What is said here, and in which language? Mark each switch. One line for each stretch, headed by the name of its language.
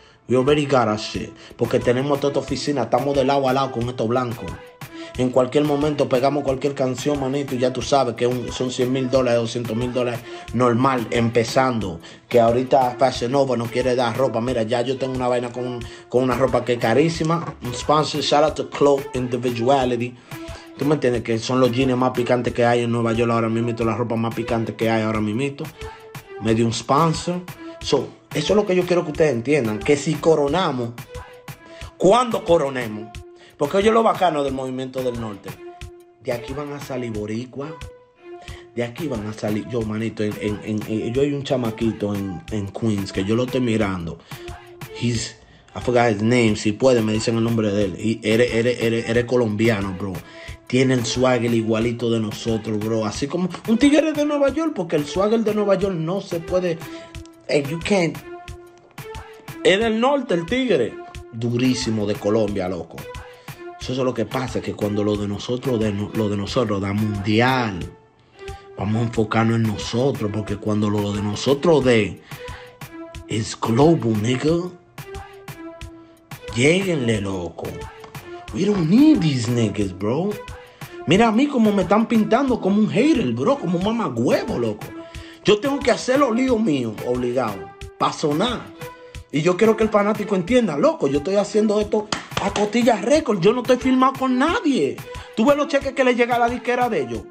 English: We already got our shit.
Spanish: Porque tenemos toda esta oficina. Estamos de lado a lado con estos blancos. En cualquier momento pegamos cualquier canción, manito. Y ya tú sabes que son $100,000, $200,000 normal, empezando. Que ahorita Fashion Nova no quiere dar ropa. Mira, ya yo tengo una vaina con una ropa que es carísima.
English: Un sponsor, shout out to Cloak Individuality.
Spanish: Tú me entiendes que son los jeans más picantes que hay en Nueva York ahora mismo. La ropa más picante que hay ahora mismo. Me dio un sponsor. So, eso es lo que yo quiero que ustedes entiendan. Que si coronamos, ¿cuándo coronemos? Porque oye lo bacano del movimiento del norte. De aquí van a salir boricua. De aquí van a salir. Yo, manito, yo hay un chamaquito en Queens que yo lo estoy mirando.
English: He's, I forgot his name.
Spanish: Si puede, me dicen el nombre de él. Eres colombiano, bro. Tiene el swagger igualito de nosotros, bro. Así como un tigre de Nueva York. Porque el swagger de Nueva York no se puede.
English: And you can't.
Spanish: En el norte, el tigre. Durísimo de Colombia, loco. Eso es lo que pasa, que cuando lo de nosotros da mundial, vamos a enfocarnos en nosotros, porque cuando lo de nosotros de
English: is global, nigga,
Spanish: lléguenle, loco.
English: We don't need these niggas, bro.
Spanish: Mira a mí como me están pintando como un hater, bro, como un mamagüevo, loco. Yo tengo que hacer los líos míos, obligado, para sonar. Y yo quiero que el fanático entienda, loco, yo estoy haciendo esto a costillas récord. Yo no estoy firmado con nadie. ¿Tú ves los cheques que le llega a la disquera de ellos?